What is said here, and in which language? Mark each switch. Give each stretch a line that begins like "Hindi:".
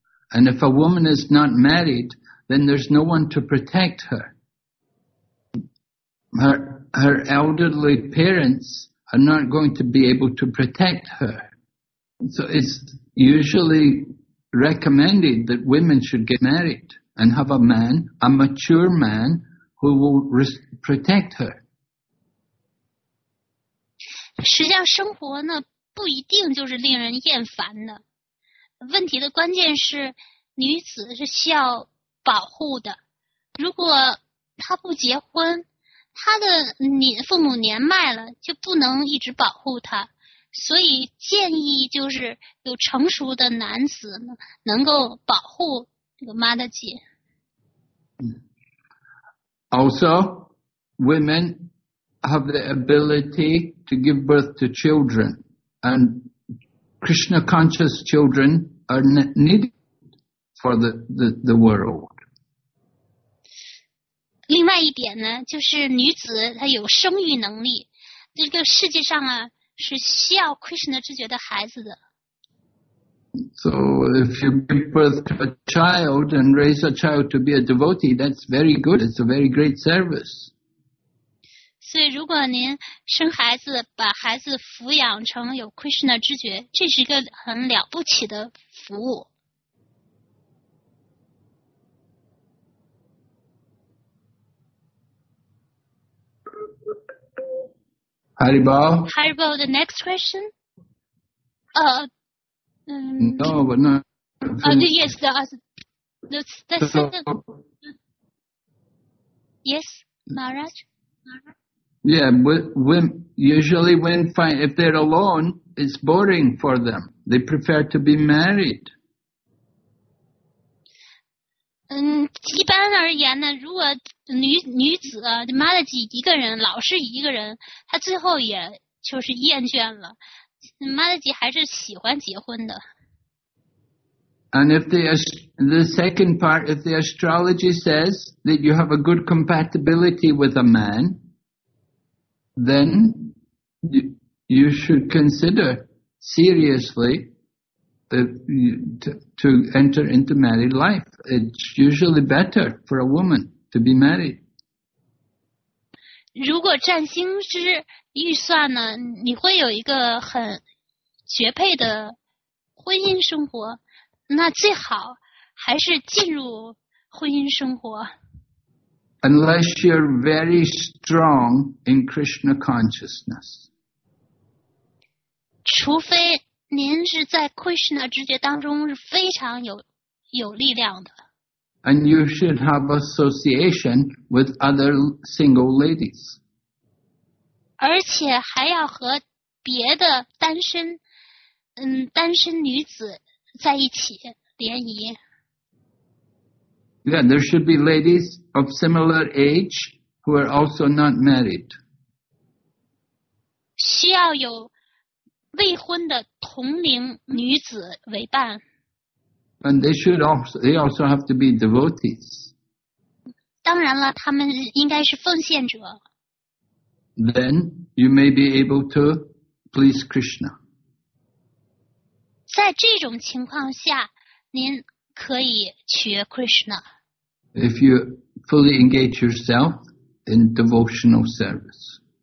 English: And if a woman is not married, then there's no one to protect her. Her elderly parents are not going to be able to protect her. So it's usually recommended that women should get married and have a man, a mature man, who will protect her.
Chinese: 实际上生活呢不一定就是令人厌烦的。问题的关键是女子是需要保护的。如果她不结婚，她的父母年迈了就不能一直保护她。所以建议就是有成熟的男子能够保护这个妈的姐。
English: Also, women have the ability to give birth to children, and Krishna conscious children are needed for the world.
Chinese: 另外一点呢，就是女子她有生育能力，这个世界上啊是需要 Krishna 之觉的孩子的。
English: So if you give birth to a child and raise a child to be a devotee, that's very good. It's a very great service.
Chinese: 所以如果您生孩子，把孩子抚养成有 Krishna 之觉，这是一个很了不起的服务。
English: Haribol? Haribol, the next question? No, but not. Yes, the second. Yes, Maharaj? Yeah, usually when if they're alone, it's boring for them. They prefer to be married.
Chinese: 一般而言呢，如果女子啊，妈的姐一个人，老是一个人，她最后也就是厌倦了。妈的姐还是喜欢结婚的。
English: And if the second part, if the astrology says that you have a good compatibility with a man, then you should consider seriously to enter into married life. It's usually better for a woman to be married.
Chinese: 如果占星师预算呢，你会有一个很绝配的婚姻生活。那最好还是进入婚姻生活。
English: Unless you're very strong in Krishna consciousness.
Chinese: 除非您是在 Krishna 直觉当中是非常有力量的。
English: And you should have association with other single ladies.
Chinese: 而且还要和别的单身女子在一起联谊。
English: Yeah, there should be ladies of similar age who are also not married.
Chinese: 需要有未婚的同龄女子为伴。
English: And they also have to be devotees.
Chinese: 当然了，他们应该是奉献者。
English: Then you may be able to please Krishna.
Chinese: 在这种情况下，您可以娶 Krishna.
English: If you fully engage yourself in devotional service.